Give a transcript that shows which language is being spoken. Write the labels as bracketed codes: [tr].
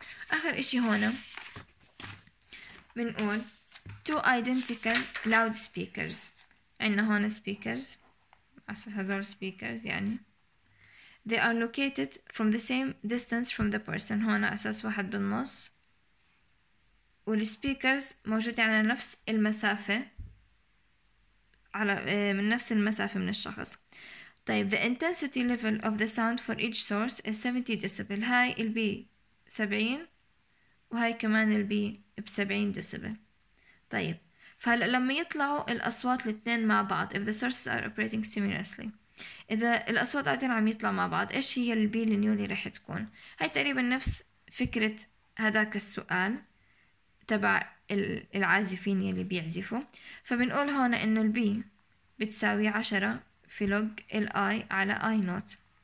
[ar] آخر إشي هون بنقول [en] two identical loud speakers، [ar] عنا هون speakers، أساس هذول speakers يعني [en] they are located from the same distance from the person، [ar] هون أساس واحد بالنص، والspeakers موجودة على نفس المسافة، على من نفس المسافة من الشخص. [en] طيب the intensity level of the sound for each source is 70 decibel، [ar] هاي البي 70 وهاي كمان البي بسبعين ديسيبل. طيب فهلأ لما يطلعوا الأصوات الاثنين مع بعض، [en] if the sources are operating simultaneously، [ar] إذا الأصوات قاعدين عم يطلع مع بعض، إيش هي البي النيولي رح تكون؟ هاي تقريبا نفس فكرة هذاك السؤال تبع العازفين يلي بيعزفوا، فبنقول هون إنه البي بتساوي 10 في لوج الآي على آي نوت.